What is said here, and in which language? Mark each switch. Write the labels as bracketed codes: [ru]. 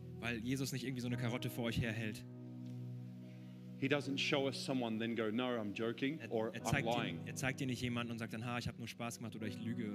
[de] Weil Jesus nicht irgendwie so eine Karotte vor euch herhält. [en] He doesn't show us someone, then go, no, I'm joking, or I'm lying. [de] Er zeigt dir nicht jemanden und sagt dann, ha, ich habe nur Spaß gemacht oder ich lüge.